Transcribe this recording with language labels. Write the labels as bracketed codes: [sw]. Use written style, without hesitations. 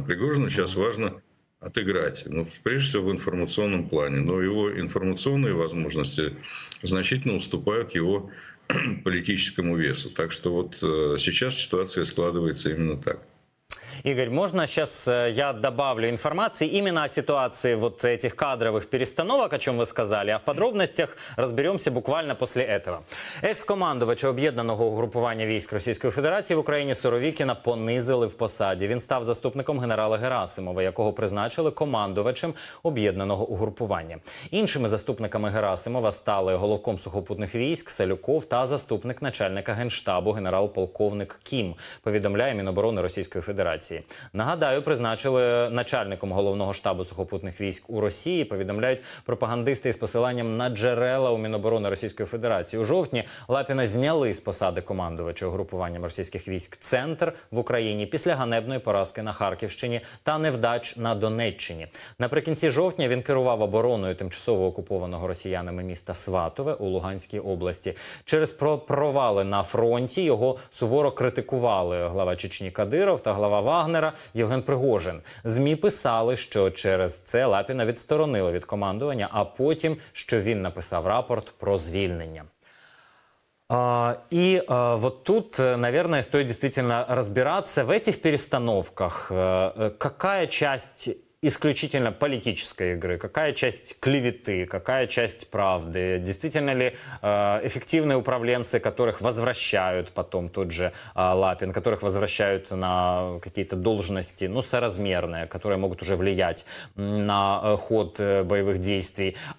[ru] Пригожину сейчас важно отыграть, ну, прежде всего в информационном плане, но его информационные возможности значительно уступают его политическому весу. Так что вот сейчас ситуация складывается именно так. Игорь, можно сейчас я добавлю информации именно о ситуации вот этих кадровых перестановок, о чем вы сказали, а в подробностях разберемся буквально после этого. [uk] Екс-командувач об'єднаного угрупування військ Російської Федерації в Україні Суровікіна понизили в посаді. Він став заступником генерала Герасимова, якого призначили командувачем об'єднаного угрупування. Іншими заступниками Герасимова стали головком сухопутних військ Салюков та заступник начальника генштабу генерал-полковник Кім, повідомляє Міноборони Російської Федерації. Нагадаю, призначили начальником головного штабу сухопутних військ у Росії, повідомляють пропагандисти із посиланням на джерела у Міноборони Російської Федерації. У жовтні Лапіна зняли з посади командувача угрупуванням російських військ «Центр» в Україні після ганебної поразки на Харківщині та невдач на Донеччині. Наприкінці жовтня він керував обороною тимчасово окупованого росіянами міста Сватове у Луганській області. Через провали на фронті його суворо критикували глава Чечні Кадиров та глава Вагнера Євген Пригожин. ЗМІ писали, що через це Лапіна відсторонили від командування, а потім, що він написав рапорт про звільнення. [ru] Вот тут, наверное, стоит действительно разбираться в этих перестановках. Какая часть исключительно политической игры, какая часть клеветы, какая часть правды? Действительно ли эффективные управленцы, которых возвращают потом тот же Лапин, которых возвращают на какие-то должности, ну, соразмерные, которые могут уже влиять на ход боевых действий?